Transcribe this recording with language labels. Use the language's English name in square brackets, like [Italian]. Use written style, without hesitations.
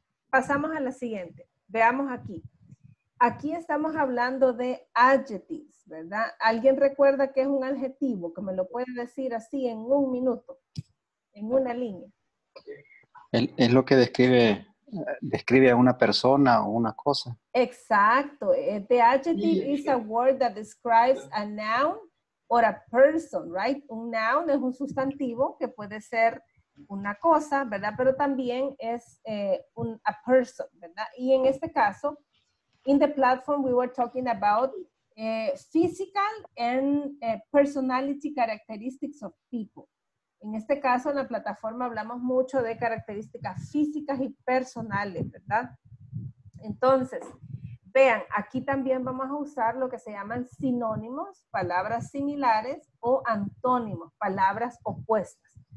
[Spanish] Pasamos a la siguiente. Veamos aquí. Aquí estamos hablando de adjectives, ¿verdad? ¿Alguien recuerda qué es un adjetivo? Que me lo puede decir así en un minuto, en una línea. Es lo que describe a una persona o una cosa. Exacto. [English] The adjective is a word that describes a noun or a person, right? [Spanish] Un noun es un sustantivo que puede ser una cosa, ¿verdad? Pero también es [English] a person, [Spanish] ¿verdad? Y en este caso, [English] in the platform we were talking about physical and personality characteristics of people. [Spanish] En este caso, en la plataforma hablamos mucho de características físicas y personales, ¿verdad? Entonces, vean, aquí también vamos a usar lo que se llaman sinónimos, palabras similares, o antónimos, palabras opuestas.